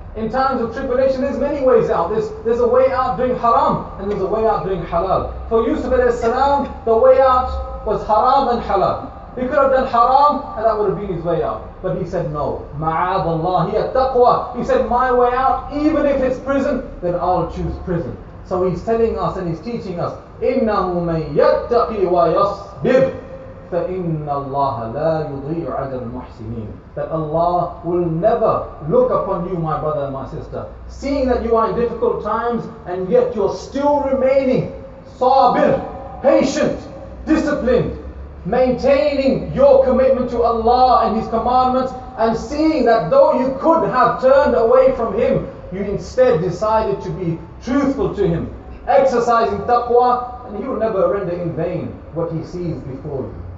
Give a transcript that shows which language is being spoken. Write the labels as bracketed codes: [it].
[en] In times of tribulation, there's many ways out. There's a way out doing haram, and there's a way out doing halal. For Yusuf alayhi salam, the way out was haram and halal. He could have done haram, and that would have been his way out. But he said no. Ma'ad Allah, he had taqwa. He said, my way out, even if it's prison, then I'll choose prison. So he's telling us and he's teaching us, [ar] إِنَّهُ مَنْ يَتَّقِي وَيَصْبِرْ فَإِنَّ اللَّهَ لَا يُضِيعُ عَدَى الْمُحْسِنِينَ. [en] That Allah will never look upon you, my brother and my sister, seeing that you are in difficult times, and yet you're still remaining sabir, patient, disciplined, maintaining your commitment to Allah and His commandments, and seeing that though you could have turned away from Him, you instead decided to be truthful to Him, exercising taqwa, and He will never render in vain what He sees before you.